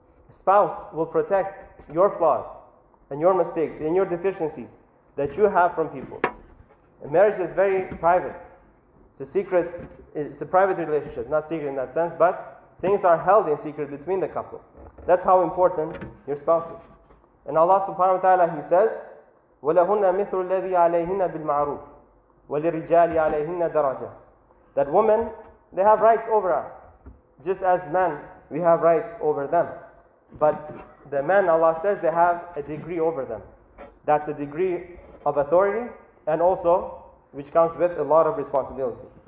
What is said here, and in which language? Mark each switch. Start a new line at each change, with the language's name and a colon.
English: Spouse will protect your flaws and your mistakes and your deficiencies that you have from people. And marriage is very private. It's a secret, it's a private relationship, not secret in that sense, but things are held in secret between the couple. That's how important your spouse is. And Allah subhanahu wa ta'ala, He says,
Arabic: وَلَهُنَّ مِثْلُ الَّذِي عَلَيْهِنَّ بِالْمَعْرُوفِ وَلِرِجَالِ عَلَيْهِنَّ دَرَجَةً.
English: That women, they have rights over us, just as men, we have rights over them. But the men, Allah says, they have a degree over them. That's a degree of authority, and also, which comes with a lot of responsibility.